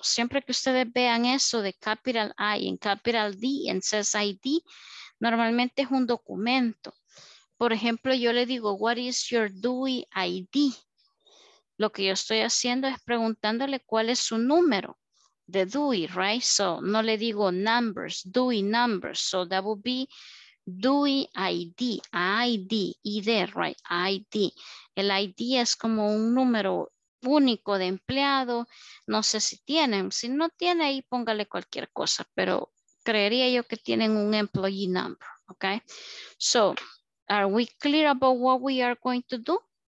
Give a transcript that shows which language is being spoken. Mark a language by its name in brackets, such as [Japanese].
[Spanish] Siempre que ustedes vean eso de capital I en capital D en says ID, normalmente es un documento. Por ejemplo, yo le digo, [English] what is your DUI ID? [Spanish] Lo que yo estoy haciendo es preguntándole cuál es su número de DUI, right? So, no le digo numbers, DUI numbers. [English] So, that would be DUI ID, ID, ID, right? ID. [Spanish] El ID es como un número único de empleado, no sé si tienen, si no tiene ahí póngale cualquier cosa, pero creería yo que tienen un employee number, ok. [English] So, are we clear about what we are going to do?